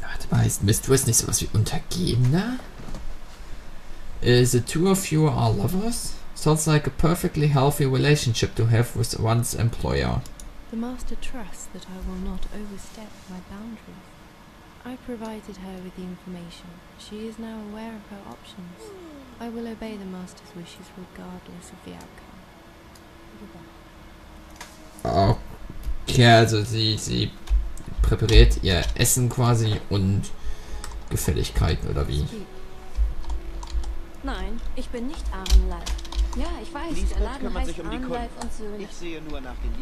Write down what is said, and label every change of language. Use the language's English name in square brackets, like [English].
[German] Heißt Mistress nicht sowas wie Untergebener? [English] The two of you are lovers? Sounds like a perfectly healthy relationship to have with one's employer. The master trusts that I will not overstep my boundaries. I provided her with the information. She is now aware of her options. I will obey the Master's wishes regardless of the outcome. [German] Okay, also sie präpariert ihr Essen quasi und Gefälligkeiten oder wie? Nein, ich bin nicht Arnleif. Ja, ich weiß, Lisbeth, der Laden heißt um Arnleif und Söhne. Ich sehe nur nach den